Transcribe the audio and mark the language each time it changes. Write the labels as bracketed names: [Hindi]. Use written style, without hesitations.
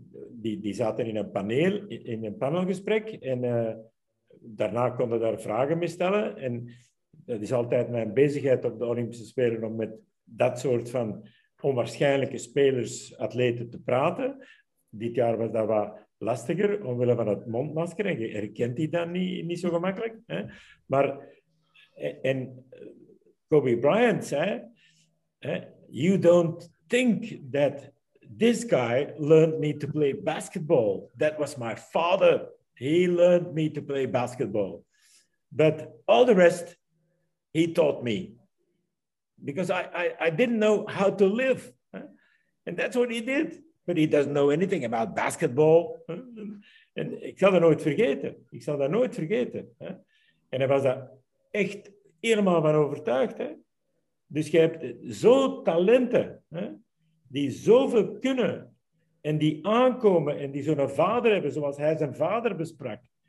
[Dutch] Die zaten in een panelgesprek en daarna konden daar vragen mee stellen. En dat is altijd mijn bezigheid op de Olympische Spelen om met dat soort van onwaarschijnlijke spelers, atleten te praten. Dit jaar was dat wat lastiger, omwille van het mondmasker. En je herkent die dan niet zo gemakkelijk. Hè? Maar, en Kobe Bryant zei, hè, [English] you don't think that this guy learned me to play basketball. That was my father. He learned me to play basketball. But all the rest, he taught me. Because I didn't know how to live. Hè? And that's what he did. But he doesn't know anything about basketball. [Dutch] En ik zal dat nooit vergeten. Ik zal dat nooit vergeten. En hij was daar echt helemaal van overtuigd. Dus je hebt zo talenten die zoveel kunnen en die aankomen en die zo'n vader hebben, zoals hij zijn vader besprak.